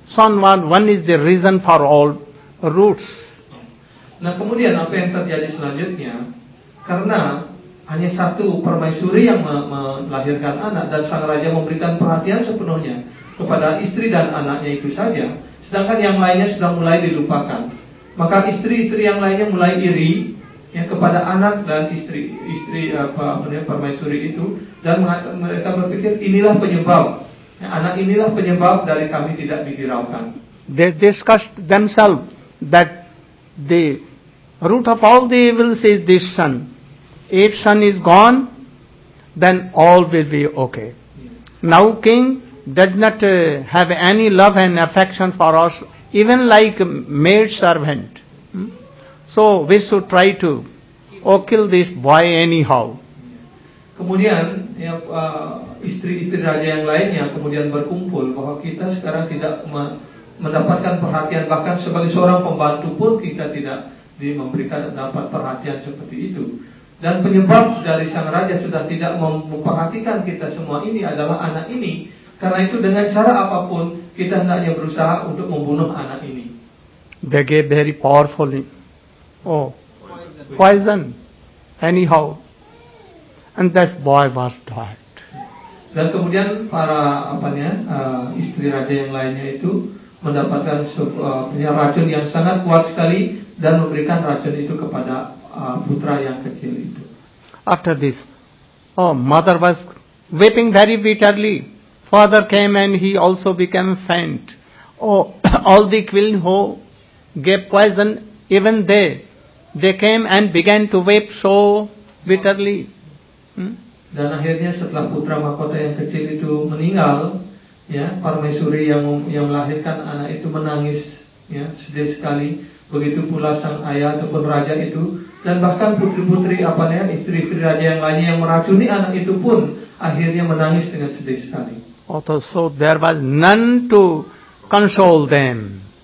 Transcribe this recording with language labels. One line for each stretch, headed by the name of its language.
English: Son one is the reason for all roots.
Indonesian: Nah, kemudian apa yang terjadi selanjutnya? Karena hanya satu permaisuri yang melahirkan anak, dan sang raja memberikan perhatian sepenuhnya kepada istri dan anaknya itu saja, sedangkan yang lainnya sudah mulai dilupakan. Maka istri-istri yang lainnya mulai iri yang kepada anak dan istri permaisuri itu, dan mereka berpikir inilah penyebab. Anak inilah penyebab dari kami tidak dihiraukan.
English: They discussed themselves that the root of all the evils is this son. If son is gone, then all will be okay. Yes. Now king does not have any love and affection for us, even like maid servant. So we should try to kill this boy anyhow.
Indonesian: Kemudian istri-istri raja yang lainnya kemudian berkumpul bahwa kita sekarang tidak mendapatkan perhatian, bahkan sebagai seorang pembantu pun kita tidak memberikan dapat perhatian seperti itu. Dan penyebab dari sang raja sudah tidak memperhatikan kita semua ini adalah anak ini. Karena itu dengan cara apapun kita hendaknya berusaha untuk membunuh anak ini.
English: They gave very powerful poison anyhow. And that boy was died.
Indonesian: Dan kemudian para istri raja yang lainnya itu mendapatkan racun yang sangat kuat sekali dan memberikan racun itu kepada putra yang kecil itu.
English: After this, mother was weeping very bitterly. Father came and he also became faint. All the queen who gave poison, even they, they came and began to weep so bitterly.
Indonesian: Dan akhirnya setelah putra mahkota yang kecil itu meninggal, ya, permaisuri yang melahirkan anak itu menangis, ya, sedih sekali. Begitu pula sang ayah ataupun raja itu, dan bahkan putri-putri apanya, istri-istri raja yang lainnya yang meracuni anak itu pun akhirnya menangis dengan sedih sekali.
English: So there was none to console them.